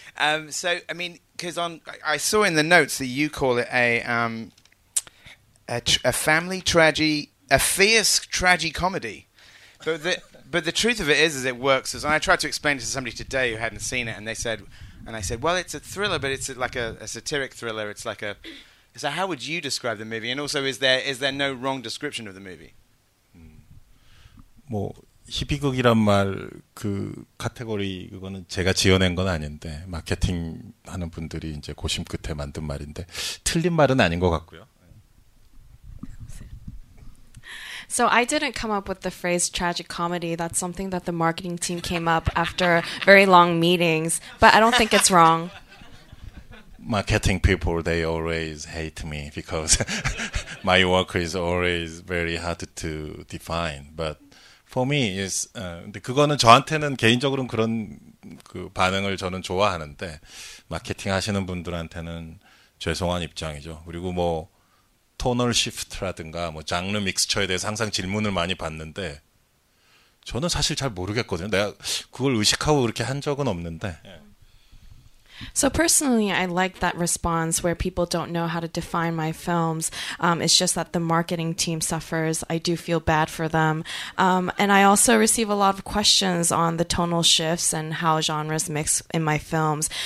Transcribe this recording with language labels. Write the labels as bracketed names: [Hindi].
[English] I saw in the notes that you call it a family tragedy, a fierce tragicomedy. But the truth of it is it works. And I tried to explain it to somebody today who hadn't seen it, and they said, and I said, well, it's a thriller, but it's like a satiric thriller. It's like a... So how would you describe the movie? And also, is there no wrong description of the movie? [Korean] 뭐, 히피극이란 말, 그 카테고리, 그거는 제가 지어낸 건 아닌데, 마케팅 하는 분들이 이제 고심 끝에 만든 말인데, 틀린 말은 아닌 것 같고요. [English] So I didn't come up with the phrase tragic comedy. That's something that the marketing team came up after very long meetings. But I don't think it's wrong. Marketing people, they always hate me because my work is always very hard to define. But for me, it's... [Korean] 근데 그거는 저한테는 개인적으로는 그런 그 반응을 저는 좋아하는데 마케팅 하시는 분들한테는 죄송한 입장이죠. 그리고 뭐 토널 시프트라든가 뭐 장르 믹스처에 대해서 항상 질문을 많이 받는데 저는 사실 잘 모르겠거든요. 내가 그걸 의식하고 그렇게 한 적은 없는데. Yeah. [English] So personally, I like that response where people don't know how to define my films. It's just that the marketing team suffers. I do feel bad for them. And I also receive a lot of questions on the tonal shifts and how genres mix in my films.